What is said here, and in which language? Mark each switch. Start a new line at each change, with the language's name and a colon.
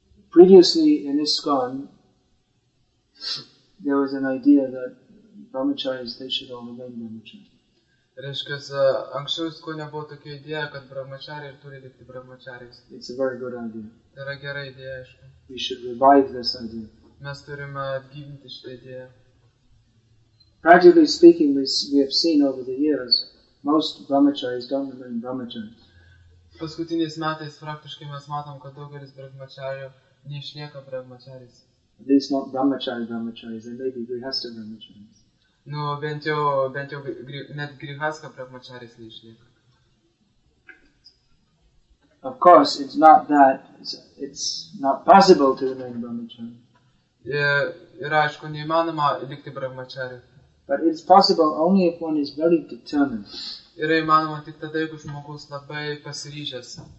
English: Previously in ISKCON, there was an idea that brahmacharis, they should all remain brahmacharis.
Lithuanian: Reiškia, anksčiau ISKCONe buvo tokia idėja, kad brahmacharis turi likti brahmacharis.
English: It's a very good idea.
Lithuanian: Tai yra gera idėja, aišku.
English: We should revive this idea.
Lithuanian: Mes turime atgyvinti šitą idėją.
English: Practically speaking, we have seen over the years, most brahmacharis don't remain brahmacharis.
Lithuanian: Paskutiniais metais praktiškai mes matom, kad daugelis brahmacharių neišlieka brahmacharis.
English: At least not brahmacharis, they may be grihastha brahmacharis.
Lithuanian: Nu, bent jau net grihastha brahmacharis neišlieka.
English: Of course, it's not that, it's not possible to remain brahmachari.
Lithuanian: Ir aišku, neįmanoma likti brahmacharis.
English: But it's possible only if one is very determined.
Lithuanian: Yra įmanoma tik tada, jeigu žmogus labai pasiryžęs.